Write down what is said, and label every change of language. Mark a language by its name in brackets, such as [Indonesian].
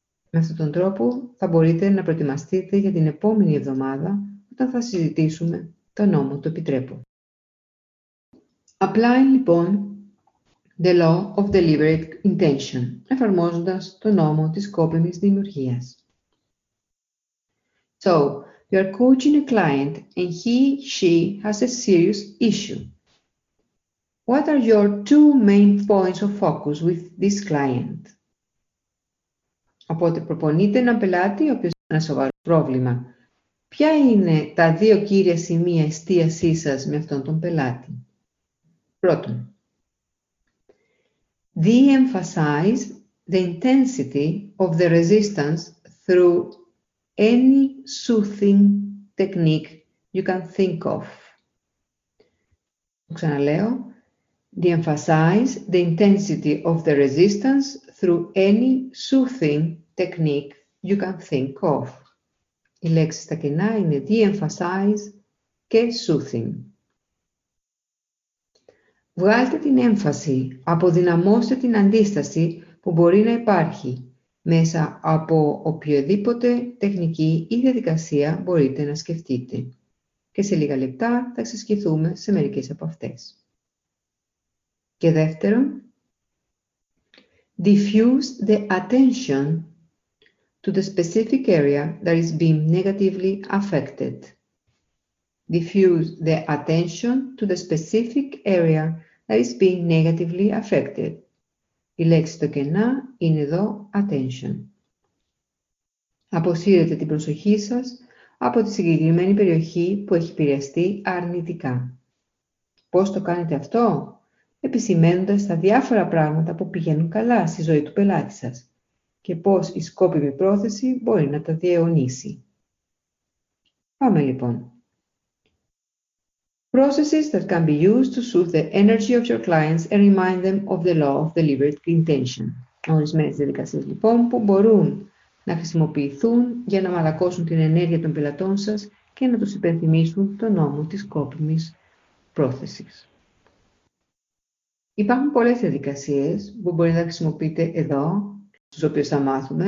[Greek] Με αυτόν τον τρόπο θα μπορείτε να προετοιμαστείτε για την επόμενη εβδομάδα όταν θα συζητήσουμε το νόμο του επιτρέπου. Applying, λοιπόν, [English] the law of deliberate intention, [Greek] εφαρμόζοντας το νόμο της σκόπιμης δημιουργίας. [English] So, you are coaching a client and he/she has a serious issue. What are your two main points of focus with this client? [Greek] Οπότε προπονείτε έναν πελάτη ο οποίος έχει ένα σοβαρό πρόβλημα. Ποια είναι τα δύο κύρια σημεία εστίασής σας με αυτόν τον πελάτη? Πρώτον, [English] de-emphasize the intensity of the resistance through any soothing technique you can think of. [Greek] Ξαναλέω, [English] de-emphasize the intensity of the resistance through any soothing technique you can think of. [Greek] Οι λέξεις στα κενά είναι de-emphasize και soothing. Βγάλτε την έμφαση, αποδυναμώστε την αντίσταση που μπορεί να υπάρχει μέσα από οποιαδήποτε τεχνική ή διαδικασία μπορείτε να σκεφτείτε. Και σε λίγα λεπτά θα εξασκηθούμε σε μερικές από αυτές. Και δεύτερον, [English] diffuse the attention to the specific area that is being negatively affected. Diffuse the attention to the specific area that is being negatively affected. [Greek] Η λέξη στο κενά είναι εδώ attention. Αποσύρετε την προσοχή σας από τη συγκεκριμένη περιοχή που έχει επηρεαστεί αρνητικά. Πώς το κάνετε αυτό? Επισημένοντας τα διάφορα πράγματα που πηγαίνουν καλά στη ζωή του πελάτη σας και πώς η σκόπιμη πρόθεση μπορεί να τα διαιωνίσει. Πάμε λοιπόν. [English] Processes that can be used to soothe the energy of your clients and remind them of the law of deliberate intention. [Greek] Ορισμένες διαδικασίες λοιπόν που μπορούν να χρησιμοποιηθούν για να μαλακώσουν την ενέργεια των πελατών σας και να τους υπενθυμίσουν τον νόμο της σκόπιμης πρόθεσης. Υπάρχουν πολλές διαδικασίες που μπορείτε να χρησιμοποιείτε εδώ, τις οποίες θα μάθουμε.